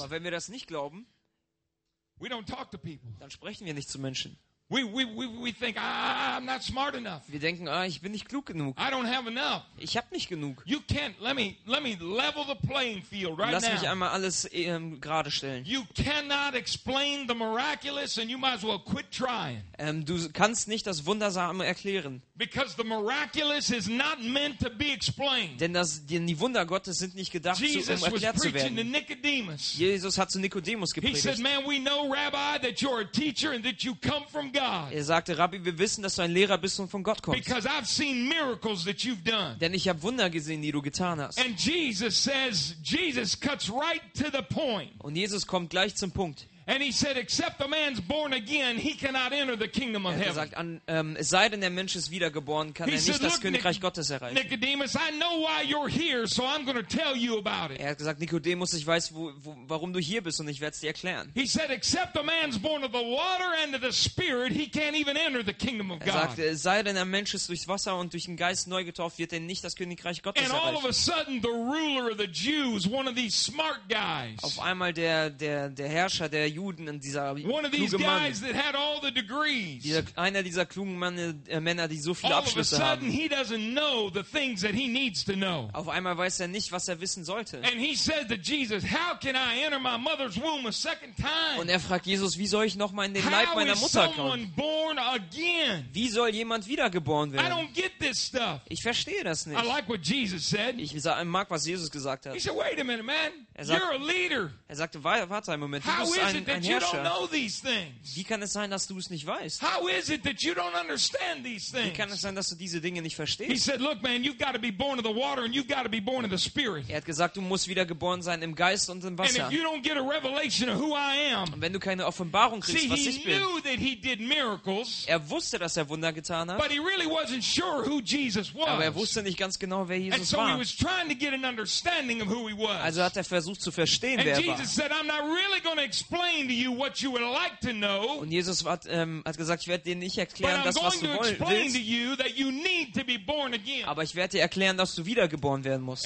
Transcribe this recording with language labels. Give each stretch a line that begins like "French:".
German: aber wenn wir das nicht glauben,
English: we don't talk to people.
German: Dann sprechen wir nicht zu Menschen.
English: We think, I'm not smart enough.
German: Wir denken, ich bin nicht klug genug.
English: I don't have enough.
German: Ich habe nicht genug.
English: You can't. Let me level the playing field right now.
German: Lass mich einmal alles gerade stellen.
English: You cannot explain the miraculous, and you might as well quit trying.
German: Du kannst nicht das Wundersame erklären.
English: Because the miraculous is not meant to be explained.
German: Denn die Wunder Gottes sind nicht gedacht, erklärt zu werden.
English: Jesus was preaching to Nicodemus.
German: Jesus hat zu Nikodemus gepredigt.
English: He said, "Man, we know, Rabbi, that you're a teacher and that you come from."
German: Er sagte, Rabbi, wir wissen, dass du ein Lehrer bist und von Gott kommst.
English: Because I've seen miracles that you've done.
German: Denn ich habe Wunder gesehen, die du getan hast.
English: And Jesus says, Jesus cuts right to the point.
German: Und Jesus kommt gleich zum Punkt.
English: And he said, except a man's born again, he cannot enter the kingdom of heaven.
German: Er sagt, es sei denn, der Mensch ist wiedergeboren, kann er nicht das Königreich Gottes erreichen.
English: Nicodemus, I know why you're here, so I'm going to tell you about it.
German: Er hat gesagt, Nikodemus, ich weiß, warum du hier bist, und ich werde es dir erklären.
English: He said, except a man's born of the water and of the Spirit, he can't even enter the kingdom of God.
German: Er sagt, es sei denn, der Mensch ist durchs Wasser und durch den Geist neu getauft, wird er nicht das Königreich Gottes erreichen.
English: And all of a sudden, the ruler of the Jews, one of these smart guys.
German: Auf einmal der Herrscher der Juden, einer dieser klugen Männer, die so viele Abschlüsse haben. Auf einmal weiß er nicht, was er wissen sollte. Und er fragt Jesus, wie soll ich nochmal in den Leib meiner Mutter kommen? Wie soll jemand wiedergeboren werden? Ich verstehe das nicht. Ich mag, was Jesus gesagt hat. Er sagte, warte einen Moment, du bist ein Herr.
English: You don't know these things.
German: Wie kann es sein, dass du es nicht weißt?
English: How is it that you don't understand these things?
German: Wie kann es sein, dass du diese Dinge nicht verstehst?
English: He said, "Look, man, you've got to be born of the water and you've got to be born of the Spirit."
German: Er hat gesagt, du musst wiedergeboren sein im Geist und im Wasser.
English: And if you don't get a revelation of who I am,
German: wenn du keine Offenbarung kriegst, was ich bin.
English: See, he knew that he did miracles.
German: Er wusste, dass er Wunder getan hat.
English: But he really wasn't sure who Jesus was.
German: Aber er wusste nicht ganz genau, wer Jesus war.
English: And so he was trying to get an understanding of who he was.
German: Also hat er versucht zu verstehen, wer er war.
English: And Jesus said, "I'm not really going to explain." You what you would like to know.
German: Und Jesus hat gesagt, ich werde dir nicht erklären, das was du willst. Aber ich werde dir erklären, dass du wiedergeboren werden musst.